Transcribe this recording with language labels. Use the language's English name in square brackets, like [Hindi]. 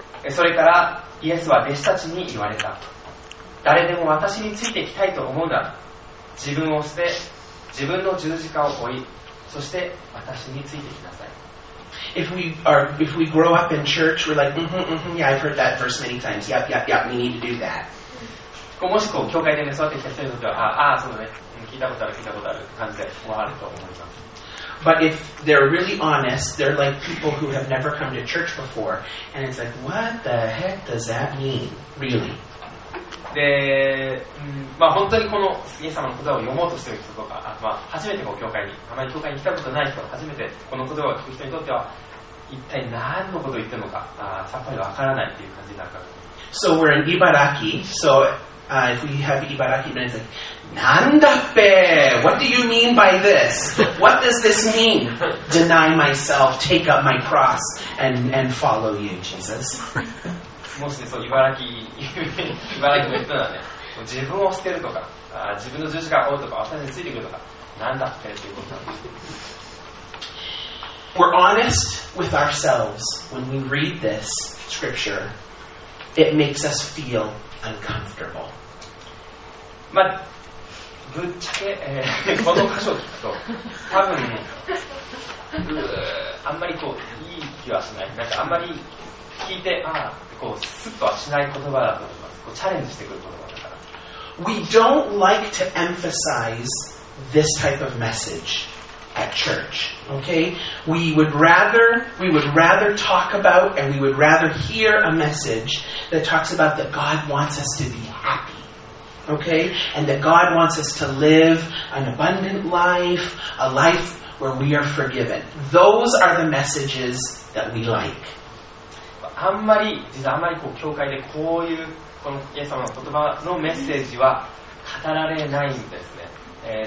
[Japanese] それからイエスは弟子たちに言われた。誰でも私についていきたいと思うなら、自分を捨て、自分の十字架を追い、そして私についてきなさい。 [English] If we grow up in church, we're like, yeah, I've heard that verse many times. Yep, we need to do that. [Japanese] もしこう教会で、ね、育ってきた人にとっては、ああ、そうだね、聞いたことある感じで終わると思います。 [English] But if they're really honest, they're like people who have never come to church before, and it's like, what the heck does that mean, really? [Japanese] で、まあ、本当にこのイエス様の言葉を読もうとしている人とか、まあ、初めてこう教会に、あまり教会に来たことない人、初めてこの言葉を聞く人にとっては、一体何のことを言ってるのか、さっぱりわからないという感じになるかと。 [English] So we're in Ibaraki, so, if we have Ibaraki, then it's like, [Japanese] なんだっぺ [English] What do you mean by this? What does this mean? Deny myself, take up my cross, and follow you, Jesus. [Japanese] もしね、そう、茨城の人ならね、自分を捨てるとか、自分の十字架を追うとか、私についてくるとか、なんだっけっていうことなんです。 [English] We're honest with ourselves when we read this scripture, it makes us feel uncomfortable. [Japanese] まあ、ぶっちゃけ、この箇所を聞くと、多分ね、あんまりこう、いい気はしない。なんかあんまり聞いて、ああ、こうスッとはしない言葉だと思います。こうチャレンジしてくる言葉だから。 [English] We don't like to emphasize this type of message at church. Okay? We would rather talk about and we would rather hear a message that talks about that God wants us to be happy. Okay? And that God wants us to live an abundant life, a life where we are forgiven. Those are the messages that we like. [Japanese] あんまり、実はあんまりこう教会でこういうこのイエス様の言葉のメッセージは語られないんですね。